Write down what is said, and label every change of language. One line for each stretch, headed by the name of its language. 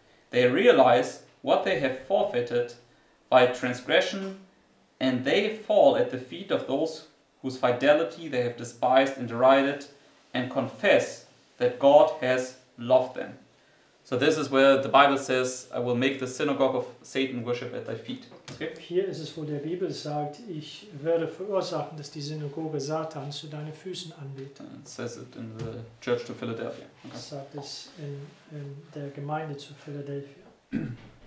English: They realize what they have forfeited by transgression, and they fall at the feet of those whose fidelity they have despised and derided, and confess that God has loved them. So this is where the Bible says, I will make the synagogue of Satan worship at thy feet. Okay.
German: Hier ist es, wo der Bibel sagt, ich werde verursachen, dass die Synagoge Satans zu deinen Füßen anbetet.
English: It says it in the church to Philadelphia. Okay.
German: Es sagt es in der Gemeinde zu Philadelphia.